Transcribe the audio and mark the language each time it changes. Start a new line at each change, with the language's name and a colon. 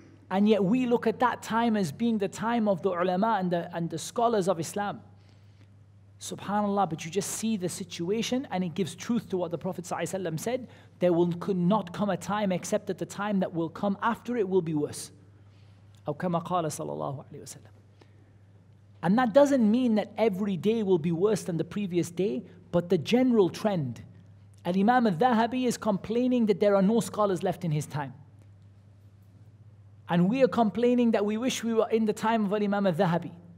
English: And yet we look at that time as being the time of the ulama and the scholars of Islam. SubhanAllah, but you just see the situation and it gives truth to what the Prophet ﷺ said. There will not come a time except that the time that will come after it will be worse.
Arabic: أو كما قال صلى الله عليه وسلم.
English: And that doesn't mean that every day will be worse than the previous day, but the general trend. Al-Imam al-Dhahabi is complaining that there are no scholars left in his time. And we are complaining that we wish we were in the time of Al-Imam al-Dhahabi.